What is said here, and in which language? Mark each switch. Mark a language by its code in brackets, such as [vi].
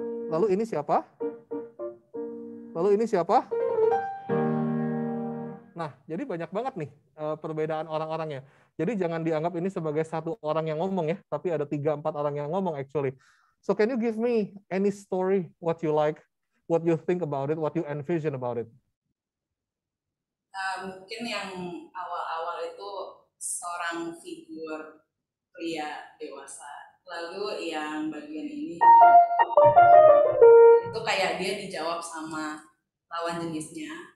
[id] Lalu ini siapa? Lalu ini siapa? Nah, jadi banyak banget nih perbedaan orang-orangnya. Jadi jangan dianggap ini sebagai satu orang yang ngomong ya, tapi ada 3-4 orang yang ngomong actually. [en] So can you give me any story, what you like, what you think about it, what you envision about it? [id] Mungkin yang awal-awal itu seorang figur pria dewasa. Lalu yang bagian ini, itu kayak dia dijawab sama lawan jenisnya.